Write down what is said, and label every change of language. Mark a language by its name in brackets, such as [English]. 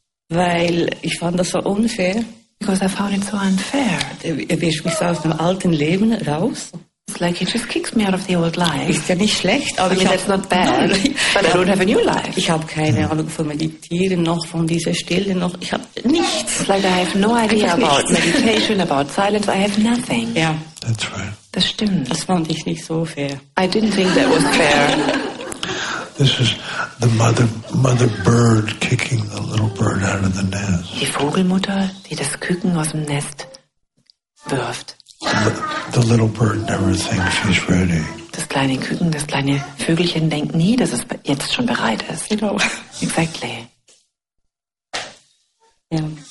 [German] Weil ich fand das so unfair. [English] Because I found it so unfair. [German] Er wischt mich so aus dem alten Leben raus. [English] It's like he just kicks me out of the old life. [German] Ist ja nicht schlecht, aber ich [English] that's not bad. But I don't have a new life. [German] Ich habe keine Ahnung von Meditieren noch, von dieser Stille noch. Ich habe nichts. [English] It's like I have no idea about meditation, about silence. I have nothing. Yeah. That's right. [German] Das stimmt. Das fand ich nicht so fair. [English] I didn't think that was fair. This is the mother bird kicking the little bird out of the nest. [German] Die Vogelmutter, die das Küken aus dem Nest wirft. [English] The little bird never thinks she's ready. [German] Das kleine Küken, das kleine Vögelchen denkt nie, dass es jetzt schon bereit ist. [English] You know. Exactly. [German] Ja.